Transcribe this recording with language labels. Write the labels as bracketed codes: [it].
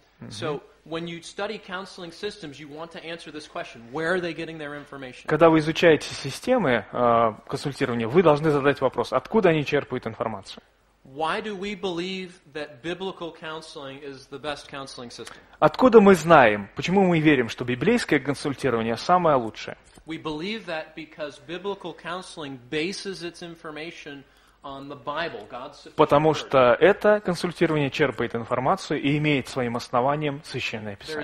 [en] So when you study counseling systems, you want to answer this question: where are they getting their information? [ru] Когда вы изучаете системы консультирования, вы должны задать вопрос: откуда они черпают информацию? [en] Why do we believe that biblical counseling is the best counseling system? [ru] Откуда мы знаем, почему мы верим, что библейское консультирование самое лучшее? [en] We believe that because biblical counseling bases its information on the Bible, God's sufficient [ru] Потому что это консультирование черпает информацию и имеет своим основанием Священное Писание.